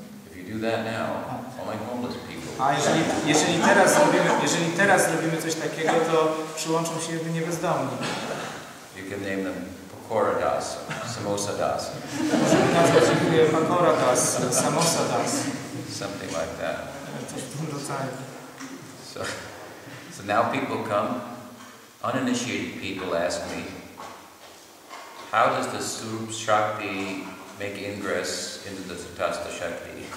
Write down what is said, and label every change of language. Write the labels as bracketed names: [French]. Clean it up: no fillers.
[English] If you do that now, only homeless people. [Polish] A jeżeli teraz robimy coś takiego, to przyłączą się jedynie bezdomni. [English] You can name them Pakora Das, Samosa Das. [Polish] Możemy nazwać je Pakora Das, Samosa Das. [English] Something like that. [Polish] Coś w tym rodzaju. [English] So now people come, uninitiated people ask me, how does the Surup Shakti make ingress into the Tathasta Shakti?